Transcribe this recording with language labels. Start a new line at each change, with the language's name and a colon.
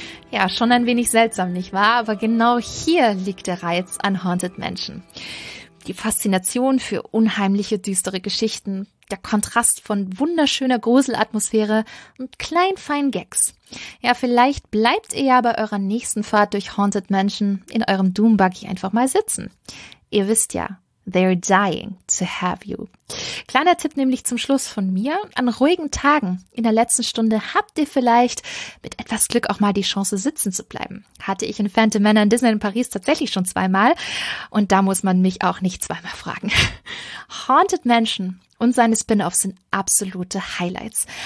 German: Ja, schon ein wenig seltsam, nicht wahr? Aber genau hier liegt der Reiz an Haunted Mansion. Die Faszination für unheimliche, düstere Geschichten, der Kontrast von wunderschöner Gruselatmosphäre und kleinen feinen Gags. Ja, vielleicht bleibt ihr ja bei eurer nächsten Fahrt durch Haunted Mansion in eurem Doom Buggy einfach mal sitzen. Ihr wisst ja,
English: they're dying to have you.
German: Kleiner Tipp nämlich zum Schluss von mir. An ruhigen Tagen in der letzten Stunde habt ihr vielleicht mit etwas Glück auch mal die Chance sitzen zu bleiben. Hatte ich in Phantom Manor in Disneyland in Paris tatsächlich schon zweimal. Und da muss man mich auch nicht zweimal fragen. Haunted Mansion und seine Spin-offs sind absolute Highlights.